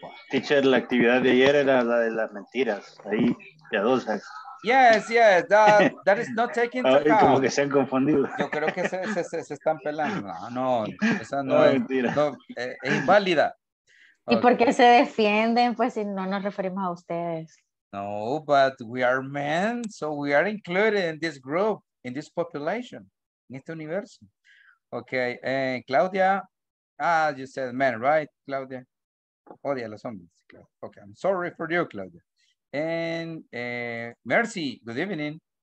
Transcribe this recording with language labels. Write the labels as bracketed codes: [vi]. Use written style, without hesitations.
[es] Teacher, la actividad de ayer era la de las mentiras, ahí, piadosas. [en] Yes, yes, that is not taken to account. [es] Como que se han confundido. Yo creo que se están pelando. No, esa no es mentira. No, es inválida. Okay. ¿Y por qué se defienden? Pues si no nos referimos a ustedes. [en] No, but we are men, so we are included in this group, in this population, in [es] este universo. [en] Okay, Claudia. Ah, you said men, right, Claudia? [es] Odia los hombres. [en] Okay, I'm sorry for you, Claudia. And Mercy, good evening.